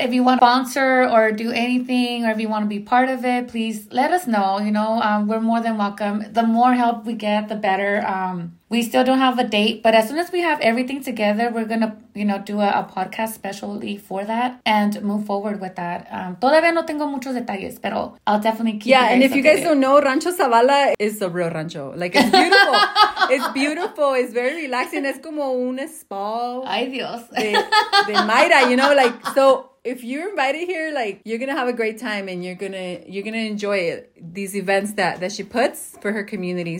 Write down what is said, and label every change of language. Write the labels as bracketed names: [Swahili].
[English] If you want to sponsor or do anything, or if you want to be part of it, please let us know. You know, we're more than welcome. The more help we get, the better. We still don't have a date, but as soon as we have everything together, we're going to, you know, do a podcast specially for that and move forward with that. [Spanish] Todavía no tengo muchos detalles, pero [English] I'll definitely keep you guys. Yeah, and if you guys don't know, Rancho Zavala is a real rancho. Like, it's beautiful. It's beautiful. It's very relaxing. It's [Spanish] como un spa. Ay, Dios. [English] De Mayra, you know, like, so... If you're invited here, like, you're going to have a great time and you're gonna enjoy it, these events that she puts for her community.